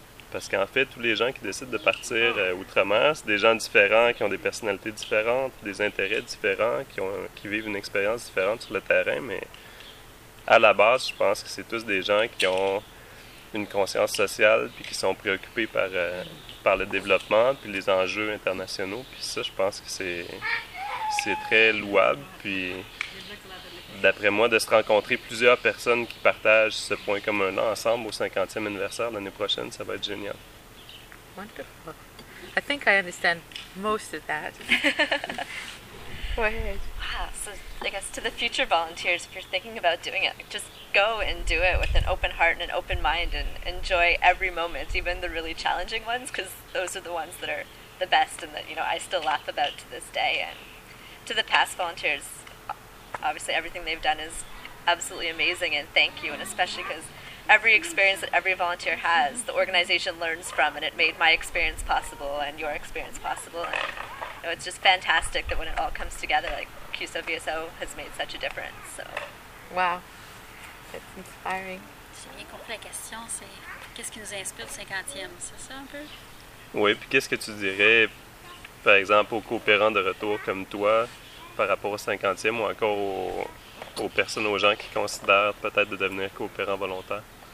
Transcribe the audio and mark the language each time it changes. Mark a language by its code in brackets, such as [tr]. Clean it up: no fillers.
[fr] Parce qu'en fait, tous les gens qui décident de partir outre-mer, c'est des gens différents, qui ont des personnalités différentes, des intérêts différents, qui vivent une expérience différente sur le terrain, mais à la base, je pense que c'est tous des gens qui ont une conscience sociale puis qui sont préoccupés par le développement puis les enjeux internationaux. Puis ça, je pense que c'est très louable. Puis d'après moi, de se rencontrer plusieurs personnes qui partagent ce point commun là ensemble au 50e anniversaire l'année prochaine, ça va être génial. [en] Wonderful. I think I understand most of that. Go ahead. Wow, so I guess to the future volunteers, if you're thinking about doing it, just go and do it with an open heart and an open mind and enjoy every moment, even the really challenging ones, because those are the ones that are the best and that, you know, I still laugh about to this day. And to the past volunteers, obviously, everything they've done is absolutely amazing, and thank you, and especially because every experience that every volunteer has, the organization learns from, and it made my experience possible and your experience possible. And, you know, it's just fantastic that when it all comes together, like CUSO-VSO has made such a difference. So, wow. That's inspiring. [fr] J'ai bien compris la question, c'est qu'est-ce qui nous inspire le 50e, c'est ça un peu? Oui, puis qu'est-ce que tu dirais, par exemple, aux coopérants de retour comme toi, par rapport au 50e ou encore aux personnes, aux gens qui considèrent peut-être de devenir coopérants volontaires?